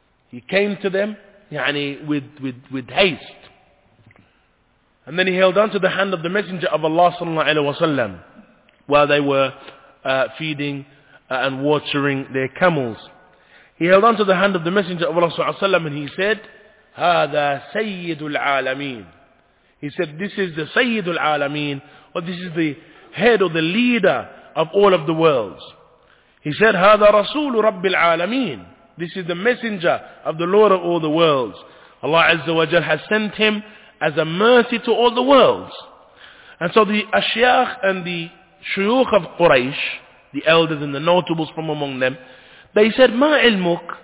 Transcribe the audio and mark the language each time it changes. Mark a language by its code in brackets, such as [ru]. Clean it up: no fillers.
[en] He came to them, يعني, with haste. And then he held on to the hand of the Messenger of Allah sallallahu alaihi wasallam while they were feeding and watering their camels. He held on to the hand of the Messenger of Allah sallallahu alaihi wasallam, and he said, [ar] "Hada Sayyidul Alameen." [en] He said, this is the Sayyidul Alameen, or this is the head or the leader of all of the worlds. He said, [ar] هذا رسول رب العالمين. [en] This is the messenger of the Lord of all the worlds. Allah Azza wa Jal has sent him as a mercy to all the worlds. And so the Ashiyakh and the Shuyukh of Quraysh, the elders and the notables from among them. They said, [ar] "Ma ilmuk?"